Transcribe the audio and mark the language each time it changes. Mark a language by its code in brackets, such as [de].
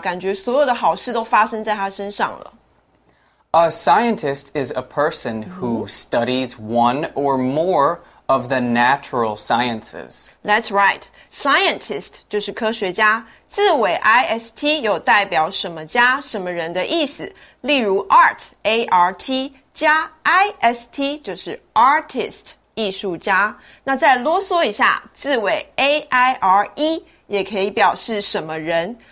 [zh] 感觉所有的好事都发生在他身上了。 [en] A scientist is a person who studies one or more of the natural sciences. That's right. Scientist [zh] 就是科学家。字尾 IST 有代表什么家、什么人的意思。例如 art, A-R-T, 加 IST 就是 artist, 艺术家。那再啰嗦一下，字尾 A-I-R-E 也可以表示什么人。